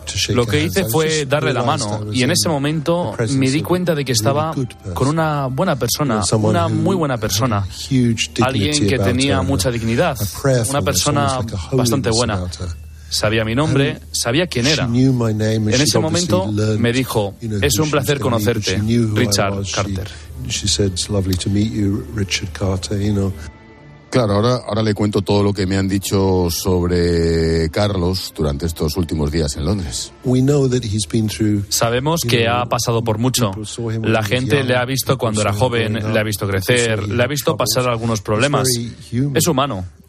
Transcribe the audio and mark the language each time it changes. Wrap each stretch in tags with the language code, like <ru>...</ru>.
<es>Lo que hice fue darle la mano y en ese momento me di cuenta de que estaba con una buena persona, una muy buena persona, alguien que tenía mucha dignidad, una persona bastante buena. Sabía mi nombre, sabía quién era. En ese momento me dijo, es un placer conocerte, Richard Carter.</es> <en>She said, it's lovely to meet you, Richard Carter, you know.</en> <es>Claro, ahora le cuento todo lo que me han dicho sobre Carlos durante estos últimos días en Londres. Sabemos que ha pasado por mucho. La gente le ha visto cuando era joven, le ha visto crecer, le ha visto pasar algunos problemas. Es humano.</es>